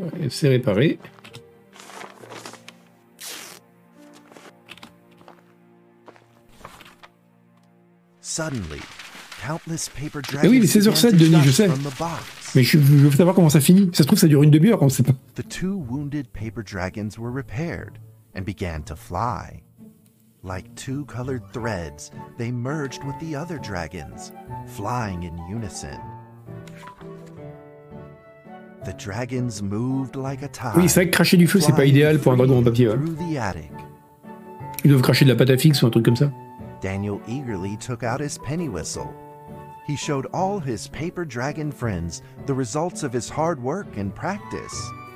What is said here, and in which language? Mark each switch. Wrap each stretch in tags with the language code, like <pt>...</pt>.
<fr>c'est réparé.</fr> <en>Suddenly, countless paper</en> <fr>dragons. Oui, mais 16h07, Denis, je sais. Mais je veux savoir comment ça finit. Ça se trouve, ça dure une demi-heure, on ne sait pas.</fr> <en>The two wounded paper dragons were repaired and began to fly. Like two colored threads, they merged with the other dragons, flying in unison. The dragons moved like a tide.</en> <fr>Oui, c'est vrai que cracher du feu, c'est pas idéal pour un dragon en papier. Hein. Ils doivent cracher de la pâte à fixe ou un truc comme ça.</fr> <en>Daniel eagerly took out his penny whistle. He showed all his paper dragon friends the results of his hard work and practice.</en>